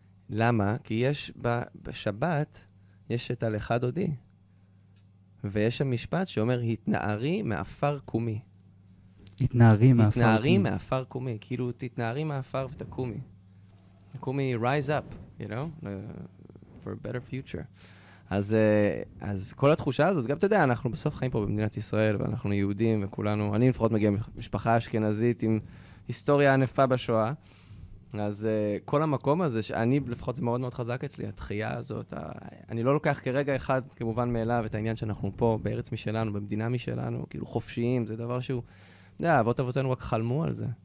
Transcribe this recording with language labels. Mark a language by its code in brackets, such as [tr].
[he] למה? כי יש בשבת, יש את הלכה דודי, ויש שם משפט שאומר, התנערי מאפר קומי. התנערי מאפר קומי. התנערי מאפר קומי. כאילו, תתנערי מאפר ותקומי. [en] קומי, rise up, you know, for a better future. [he] אז כל התחושה הזאת, גם אתה יודע, אנחנו בסוף חיים פה במדינת ישראל, ואנחנו יהודים וכולנו, אני לפחות מגיע משפחה אשכנזית עם היסטוריה ענפה בשואה. אז כל המקום הזה, שאני לפחות זה מאוד מאוד חזק אצלי, התחייה הזאת, אני לא לוקח כרגע אחד כמובן מאליו את העניין שאנחנו פה, בארץ משלנו, במדינה משלנו, כאילו חופשיים, זה דבר שהוא, אתה יודע, אבות אבותינו רק חלמו על זה.